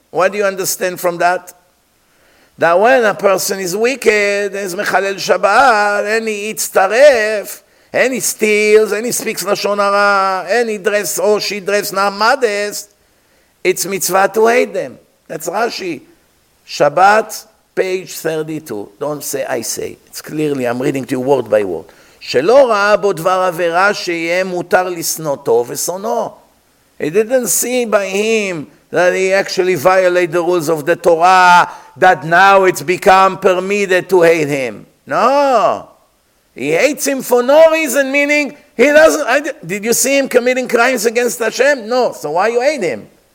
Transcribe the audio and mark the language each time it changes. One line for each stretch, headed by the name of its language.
English: What do you understand from that? That when a person is wicked, is mechalel Shabbat, and he eats taref, and he steals, and he speaks lashon hara, and he dresses, or she dresses not modest, it's mitzvah to hate them. That's Rashi. Shabbat, page 32. Don't say, I say. It's clearly, I'm reading to you word by word.
Hebrew: שלא ראה בו דבר עבירה שיהיה מותר לסנותו וסונו.
English: He didn't see by him that he actually violated the rules of the Torah, that now it's become permitted to hate him. No. He hates him for no reason, meaning he doesn't... Did you see him committing crimes against Hashem? No. So why you hate him?